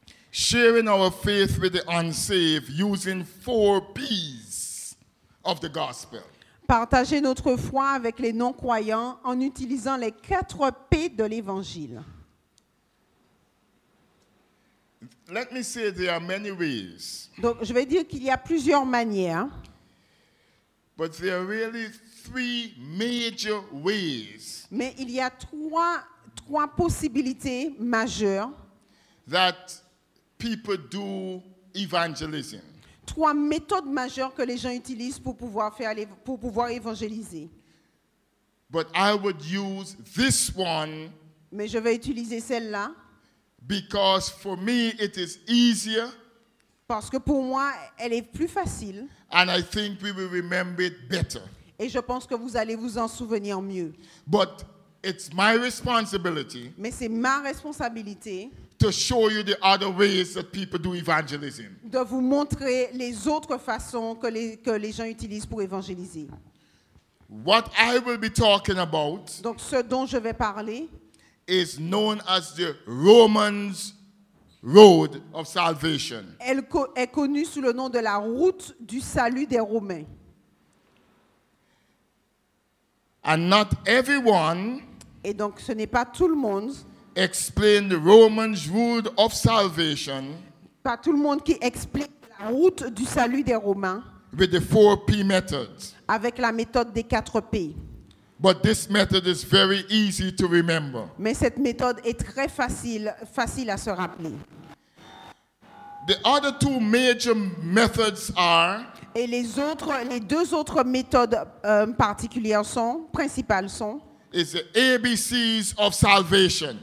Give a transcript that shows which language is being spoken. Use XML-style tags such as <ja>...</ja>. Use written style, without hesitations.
<en>Sharing our faith with the unsaved using four P's of the gospel.</en> <fr>Partager notre foi avec les non-croyants en utilisant les quatre P de l'évangile.</fr> <en>Let me say there are many ways.</en> <fr>Donc, je vais dire qu'il y a plusieurs manières.</fr> <en>But there are really three major ways.</en> <fr>Mais il y a trois possibilités majeures.</fr> <en>That people do evangelism.</en> <fr>Trois méthodes majeures que les gens utilisent pour pouvoir faire pour pouvoir évangéliser.</fr> <en>But I would use this one.</en> <fr>Mais je vais utiliser celle-là.</fr> <en>Because for me it is easier.</en> <fr>Parce que pour moi, elle est plus facile.</fr> <en>And I think we will remember it better.</en> <fr>Et je pense que vous allez vous en souvenir mieux.</fr> <en>But it's my responsibility.</en> <fr>Mais c'est ma responsabilité.</fr> <en>To show you the other ways that people do evangelism.</en> <fr>De vous montrer les autres façons que les gens utilisent pour évangéliser.</fr> <en>What I will be talking about.</en> <fr>Donc ce dont je vais parler.</fr> <en>Is known as the Romans. Road of salvation.</en> <fr>Elle est connue sous le nom de la route du salut des Romains.</fr> <en>And not everyone.</en> <fr>Et donc ce n'est pas tout le monde.</fr> <en>Explain the Romans road of salvation.</en> <fr>Pas tout le monde qui explique la route du salut des Romains.</fr> <en>With the 4P method.</en> <fr>Avec la méthode des 4P.</fr> <en>But this method is very easy to remember.</en> <fr>Mais cette méthode est très facile à se rappeler.</fr> <en>The other two major methods are.</en> <fr>Et les deux autres méthodes particulières sont principales sont.</fr> <en>Is the ABCs of salvation.</en>